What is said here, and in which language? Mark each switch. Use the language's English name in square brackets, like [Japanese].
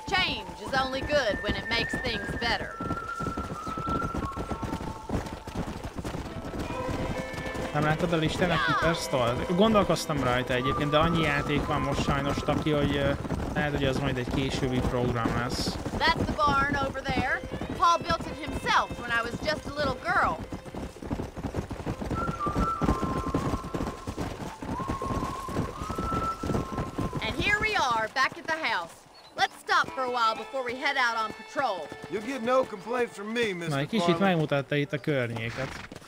[English] Change is only good when it makes things better. [Hungarian] Nem láttad a listának Keeperstól? Gondolkoztam rajta egyébként, de annyi játék van most sajnos taki, hogy lehet, hogy az majd egy későbbi program lesz. [English] That's the barn over there. Paul built it himself when I was just a little girl. And here we are, back at the house. Let's stop for a while before we head out on patrol. You'll get no complaints from me, Mr. Farley. [Hungarian] Na, egy kicsit megmutatta itt a környéket.